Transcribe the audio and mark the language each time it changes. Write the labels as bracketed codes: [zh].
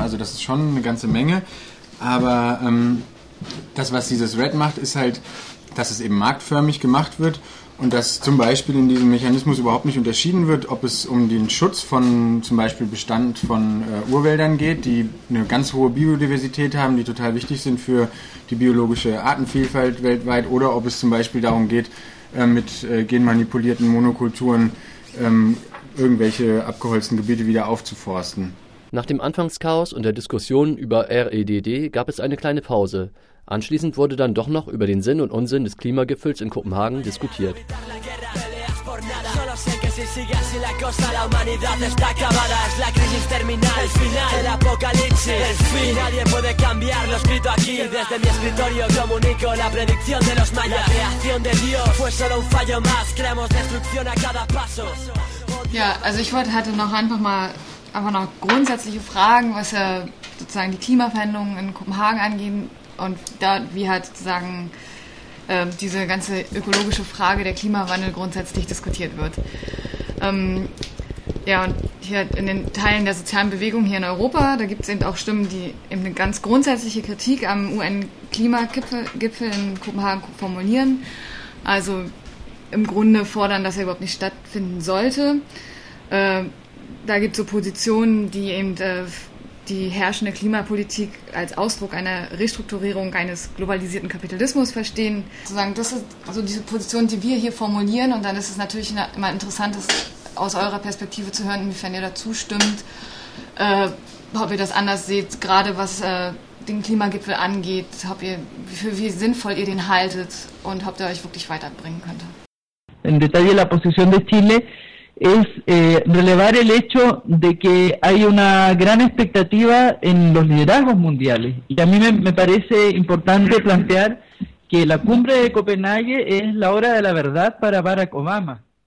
[de] Also das ist schon eine ganze Menge. Aber das, was dieses RED macht, ist halt, dass es eben marktförmig gemacht wird und dass zum Beispiel in diesem Mechanismus überhaupt nicht unterschieden wird, ob es um den Schutz von zum Beispiel Bestand von Urwäldern geht, die eine ganz hohe Biodiversität haben, die total wichtig sind für die biologische Artenvielfalt weltweit, oder ob es zum Beispiel darum geht, mit genmanipulierten Monokulturen irgendwelche abgeholzten Gebiete wieder aufzuforsten. Nach dem Anfangschaos und der Diskussion über REDD gab es eine kleine Pause. Anschließend wurde dann doch noch über den Sinn und Unsinn des Klimagipfels in Kopenhagen diskutiert. [es] Si sigue así la cosa, la humanidad está acabada. Es la crisis terminal, el final, el apocalipsis, el fin. Nadie puede cambiar lo escrito aquí. Desde mi escritorio comunico la predicción de los mayas. La creación de Dios fue solo un fallo más. Creamos destrucción a cada paso. [de] Ja, also ich hatte noch einfach noch grundsätzliche Fragen, was ja sozusagen die Klimaveränderungen in Kopenhagen angeht und da wie halt sozusagen diese ganze ökologische Frage der Klimawandel grundsätzlich diskutiert wird. Ja, und hier in den Teilen der sozialen Bewegung hier in Europa, da gibt es eben auch Stimmen, die eben eine ganz grundsätzliche Kritik am UN-Klimagipfel in Kopenhagen formulieren. Also im Grunde fordern, dass er überhaupt nicht stattfinden sollte. Da gibt es so Positionen, die eben die herrschende Klimapolitik als Ausdruck einer Restrukturierung eines globalisierten Kapitalismus verstehen. Sozusagen, das ist so diese Position, die wir hier formulieren. Und dann ist es natürlich immer interessant, das aus eurer Perspektive zu hören, inwiefern ihr dazu stimmt, ob ihr das anders seht, gerade was den Klimagipfel angeht, wie sinnvoll ihr den haltet und ob der euch wirklich weiterbringen könnte. [es] In Detail la posición de Chile. Es relevar el hecho de que hay una gran expectativa en los liderazgos mundiales. Y a mí me parece importante plantear que la cumbre de Copenhague es la hora de la verdad para Barack Obama.